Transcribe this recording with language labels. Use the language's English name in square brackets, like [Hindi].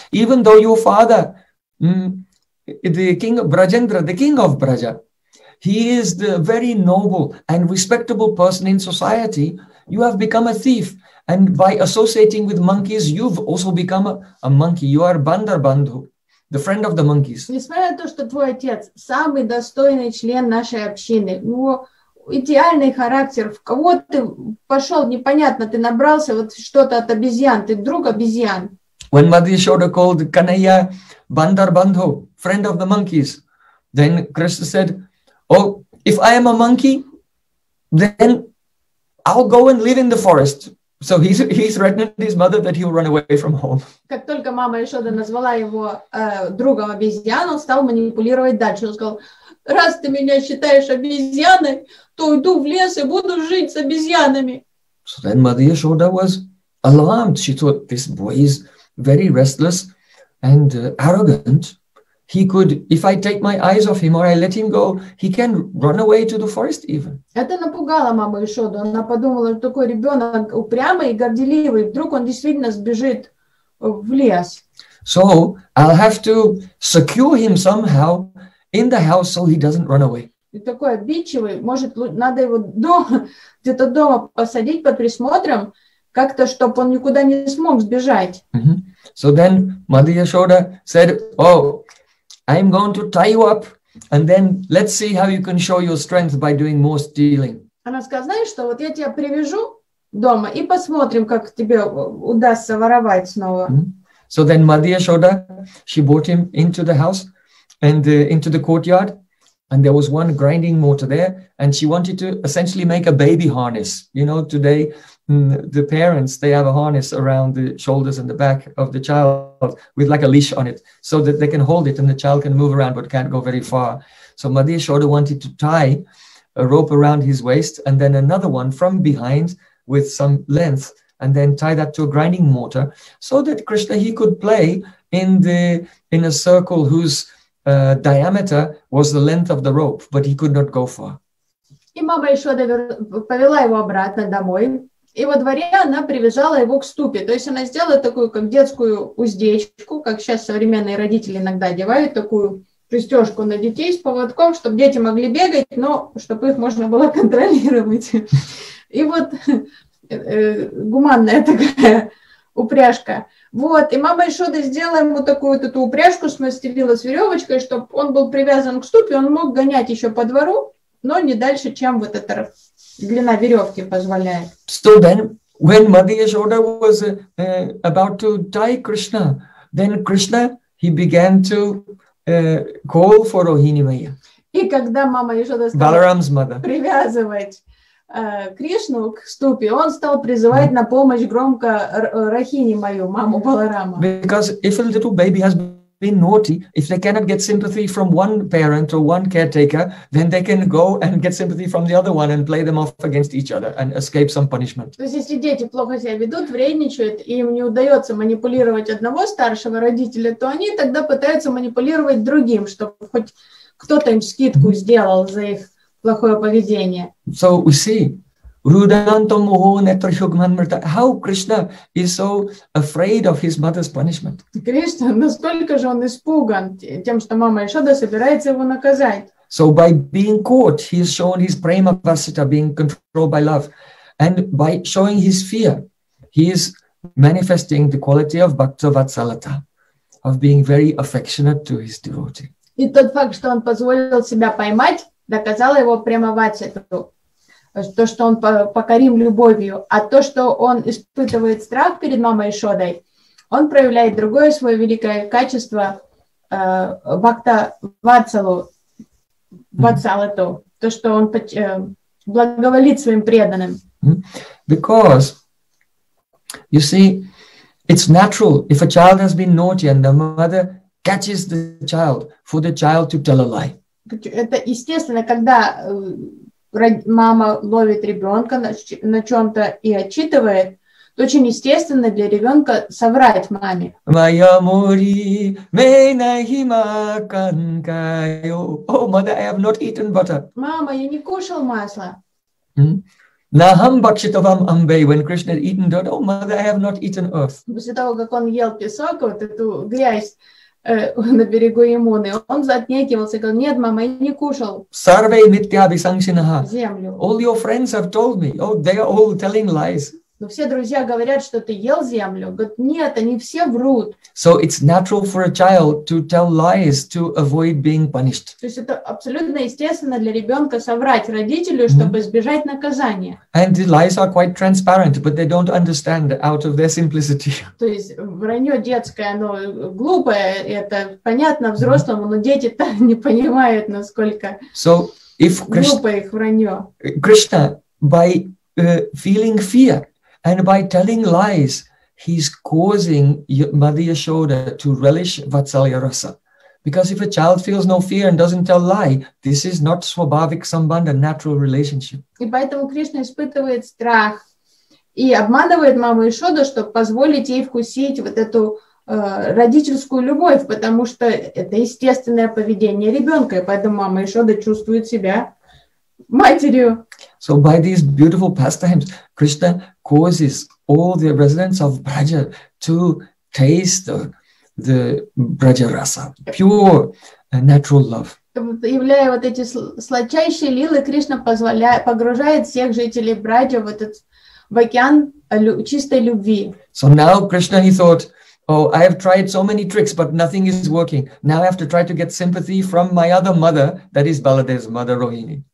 [English] Even though your father, the king of Brajendra, the king of Braja, he is the very noble and respectable person in society, you have become a thief. And by associating with monkeys, you've also become a monkey. You are Bandar Bandhu, the friend of the monkeys. [Russian] Несмотря на то, что твой отец самый достойный член нашей общины, идеальный характер. В кого ты пошел? Непонятно. Ты набрался вот что-то от обезьян. Ты друг обезьян. [English] When Madhya Yashoda called Kanhaiya Bandar Bandhu, friend of the monkeys, then Krishna said, oh, if I am a monkey, then I'll go and live in the forest. So he threatened his mother that he'll run away from home. [Russian] Как только мама Яшода назвала его другом обезьян, он стал манипулировать дальше. Он сказал, раз ты меня считаешь обезьяной, то уйду в лес и буду жить с обезьянами. [English] So then Madhya Yashoda was alarmed. She thought, this boy is very restless and arrogant. He could, if I take my eyes off him or I let him go, he can run away to the forest even. [Russian] Это напугало маму Яшоду. Она подумала, что такой ребенок упрямый и горделивый. Вдруг он действительно сбежит в лес. [English] So I'll have to secure him somehow in the house so he doesn't run away. [Russian] И такой обидчивый, может, надо его где-то дома посадить под присмотром, как-то, чтобы он никуда не смог сбежать. [English] So then Madhya Yashoda said, oh, I'm going to tie you up And then let's see how you can show your strength by doing more stealing. [Russian] Она сказала, знаешь что, вот я тебя привяжу дома и посмотрим, как тебе удастся воровать снова. Mm-hmm. [English] So then Madhya Shoda, she brought him into the house and into the courtyard. And there was one grinding mortar there, and she wanted to essentially make a baby harness. You know, today the parents, they have a harness around the shoulders and the back of the child with like a leash on it so that they can hold it and the child can move around but can't go very far. So Madhya Shoda wanted to tie a rope around his waist and then another one from behind with some length and then tie that to a grinding mortar so that Krishna, he could play in a circle whose diameter was the length of the rope, but he could not go far. [Russian] И мама еще повела его обратно домой. И во дворе она привязала его к ступе. То есть она сделала такую, как детскую уздечку, как сейчас современные родители иногда одевают, такую пристежку на детей с поводком, чтобы дети могли бегать, но чтобы их можно было контролировать. И вот гуманная такая упряжка. Вот, и мама Ишода сделала ему такую вот эту упряжку, смастерила с веревочкой, чтобы он был привязан к ступе, он мог гонять еще по двору, но не дальше, чем вот эта длина веревки позволяет. [English] So then, when Madhya Ishoda was about to tie Krishna, then Krishna, he began to call for Rohini Maya. [Russian] И когда мама Ишода стала [English] Balaram's mother [Russian] привязывать Кришну к ступе, он стал призывать на помощь громко Рахини мою, маму Баларама. [English] Because if a little baby has been naughty, if they cannot get sympathy from one parent or one caretaker, then they can go and get sympathy from the other one and play them off against each other and escape some punishment. [Russian] То есть если дети плохо себя ведут, вредничают, и им не удается манипулировать одного старшего родителя, то они тогда пытаются манипулировать другим, чтобы хоть кто-то им скидку сделал за их [English] So we see, [Sanskrit] Rudanto moho netrashugman mrta. [English] How Krishna is so afraid of his mother's punishment. [Russian] Krishna, настолько же он испуган тем, что мама Ишода собирается его наказать. [English] So by being caught, he has shown his prema vasita, being controlled by love. And by showing his fear, he is manifesting the quality of bhakta vatsalata, of being very affectionate to his devotee. [Russian] И тот факт, что он позволил себя поймать, доказала его прямо вачету, то, что он покорим любовью, а то, что он испытывает страх перед мамой Ишодой, он проявляет другое свое великое качество бхакта вацалу, вацалату, то, что он благоволит своим преданным. [English] Because, you see, it's natural, if a child has been naughty and the mother catches the child, for the child to tell a lie. [Russian] Это естественно, когда мама ловит ребенка на чем-то и отчитывает, то очень естественно для ребенка соврать маме. [Hindi] Моя мори, мей нахима канкаю. [Russian] О, мама, [English] I have not eaten butter. [Russian] Мама, я не кушал масло. [Sanskrit] Нахам бакшитовам амбей, [English] when Krishna had eaten dirt. [Russian] О, мама, [English] I have not eaten earth. [Russian] После того, как он ел песок, вот эту грязь, на берегу Ямуны. Он отнекивался и говорил, нет, мама, я не кушал землю. [English] All your friends have told me. Oh, they are all telling lies. [Russian] Но все друзья говорят, что ты ел землю. Говорят, нет, они все врут. [English] So it's natural for a child to tell lies to avoid being punished. [Russian] То есть это абсолютно естественно для ребенка соврать родителю, чтобы избежать наказания. [English] And the lies are quite transparent, but they don't understand out of their simplicity. [Russian] То есть вранье детское, оно глупое, это понятно взрослому, но дети-то не понимают, насколько глупо их вранье. [English] Krishna, by feeling fear, and by telling lies, he's causing Madhya Yashoda to relish Vatsalya Rasa. Because if a child feels no fear and doesn't tell lie, this is not swabhavik sambandha, a natural relationship. [Russian] И поэтому Кришна испытывает страх и обманывает маму Ишоду, чтобы позволить ей вкусить вот эту родительскую любовь, потому что это естественное поведение ребенка, и поэтому мама Ишода чувствует себя матерью. [English] So by these beautiful pastimes, Krishna causes all the residents of Braja to taste the Braja rasa, pure and natural love. [Russian] Являя вот эти сладчайшие лилы, Кришна позволяет, погружает всех жителей Браджа в этот в океан чистой любви. [English] So now Krishna, he thought, Oh, I have tried so many tricks, but nothing is working. Now I have to try to get sympathy from my other mother, that is Baladev's mother, Rohini.